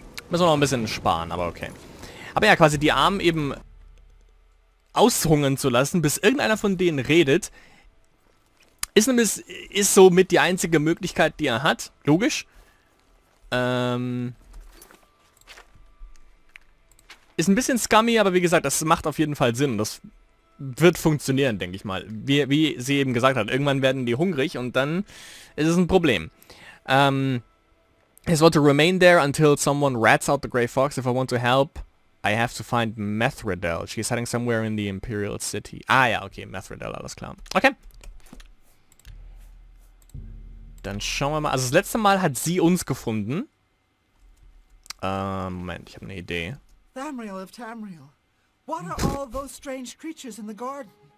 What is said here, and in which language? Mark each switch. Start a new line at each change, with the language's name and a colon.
German: Müssen wir noch ein bisschen sparen, aber okay. Aber ja, quasi die Armen eben aushungern zu lassen, bis irgendeiner von denen redet, ist nämlich, ist somit die einzige Möglichkeit, die er hat. Logisch. Ist ein bisschen scummy, aber wie gesagt, das macht auf jeden Fall Sinn. Das wird funktionieren, denke ich mal. Wie sie eben gesagt hat, irgendwann werden die hungrig und dann ist es ein Problem.
English: I want to remain there until someone rats out the Grey Fox. If I want to help, I have to find Methradil. She's heading somewhere in the Imperial City.
German: Ah ja, okay, Methradil, alles klar. Okay. Dann schauen wir mal. Also das letzte Mal hat sie uns gefunden. Moment, ich habe eine Idee.
English: Tamriel of Tamriel. What are all those strange creatures in the garden?